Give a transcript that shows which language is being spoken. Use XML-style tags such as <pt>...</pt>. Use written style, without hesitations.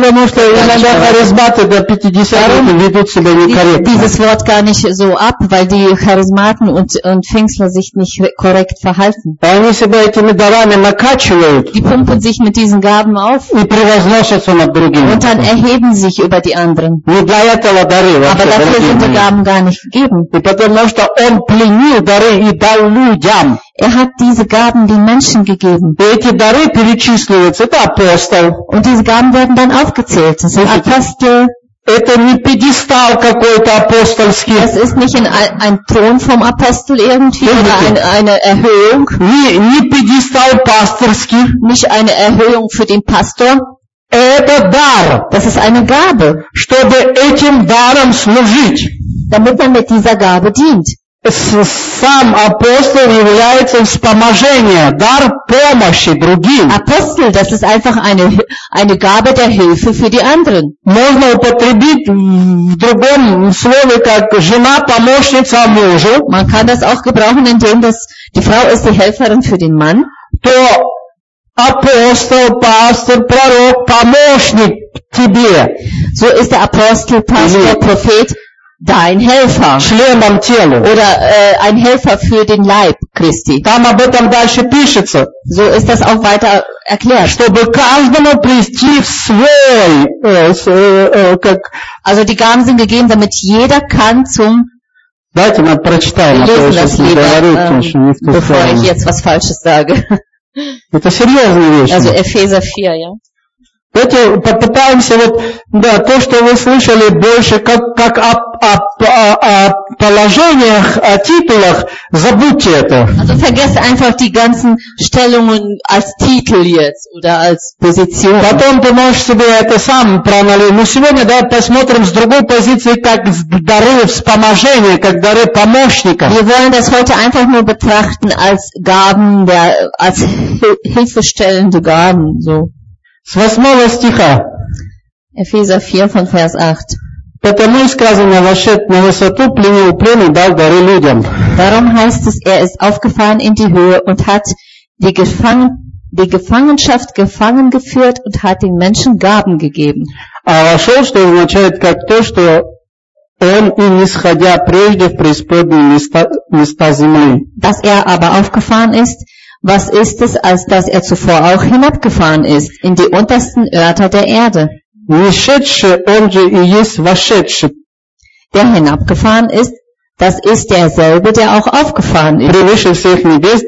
<de>dann muss der Mensch Charismaten der 50-Jährigen</de> <ru>ведут себя некорректно.</ru> <de>Dieses Wort gar nicht so ab, weil die Charismaten und Pfingstler sich nicht korrekt verhalten.</de> <ru>Они себя этими дарами накачивают.</ru> <de>Die pumpen sich mit diesen Gaben auf.</de> <ru>И превозносятся над другими.</ru> <de>Und dann erheben sich über die anderen.</de> <ru>Не для этого дары вообще.</ru> <de>Aber dafür sind die Gaben gar nicht gegeben.</de> <ru>И потому что он пленил дары и дал людям.</ru> <de>Er hat diese Gaben den Menschen gegeben.</de> <ru>Эти дары перечисливаются, это апостол.</ru> <de>Und diese Gaben werden dann aufgezählt. Das ist Apostel.</de> <ru>Это не пьедестал какой-то апостольский.</ru> <de>Es ist nicht ein Thron vom Apostel irgendwie, oder eine Erhöhung.</de> <ru>Не пьедестал пасторский.</ru> <de>Nicht eine Erhöhung für den Pastor.</de> <ru>Это дар.</ru> <de>Das ist eine Gabe.</de> <ru>Чтобы этим даром служить.</ru> <de>Damit man mit dieser Gabe dient.</de> <ru>Сам апостол является вспоможением, дар помощи другим.</ru> <de>Апостол, das ist einfach eine Gabe der Hilfe für die anderen.</de> <ru>Можно употребить в другом слове, как жена помощница мужу.</ru> <de>Man kann das auch gebrauchen, indem das die Frau ist die Helferin für den Mann.</de> <ru>То апостол, пастор, пророк, помощник тебе.</ru> <de>So ist der Apostel, Pastor, Amen. Prophet. Dein Helfer. Schlimm am Telo. Oder ein Helfer für den Leib Christi.</de> <ru>Там об этом дальше пишется.</ru> <de>So ist das auch weiter erklärt.</de> <ru>Чтобы каждому прийти в свой. Как...</ru> <de>Also die Gaben sind gegeben, damit jeder kann zum...</de> <ru>Давайте мы прочитаем.</ru> <de>Lesen das lieber, bevor ich jetzt was Falsches sage.</de> <ru>Это серьезные вещи.</ru> <de>Also Epheser 4, ja.</de> <ru>Давайте попытаемся вот, да, то, что вы слышали больше, как о положениях, о титулах, забудьте это.</ru> <de>Also vergesst einfach die ganzen Stellungen als Titel jetzt oder als Position.</de> <ru>Потом ты можешь себе это сам проанализировать. Но сегодня давай посмотрим с другой позиции, как дары вспоможения, как дары помощника.</ru> <de>Wir wollen das heute einfach nur betrachten als Gaben, als hilfestellende Gaben, so.</de> <ru>С восьмого стиха.</ru> <de>Epheser 4, von Vers 8.</de> <ru>Потому и сказано, вошед на высоту, пленил плен и дал дары людям.</ru> <de>Darum heißt es, er ist aufgefahren in die Höhe und hat die Gefangenschaft gefangen geführt und hat den Menschen Gaben gegeben.</de> <ru>А вошел, что означает, как то, что он и не сходя прежде в преисподние места земли.</ru> <de>Dass er aber aufgefahren ist, was ist es, als dass er zuvor auch hinabgefahren ist, in die untersten Örter der Erde? Der hinabgefahren ist, das ist derselbe, der auch aufgefahren ist.</de>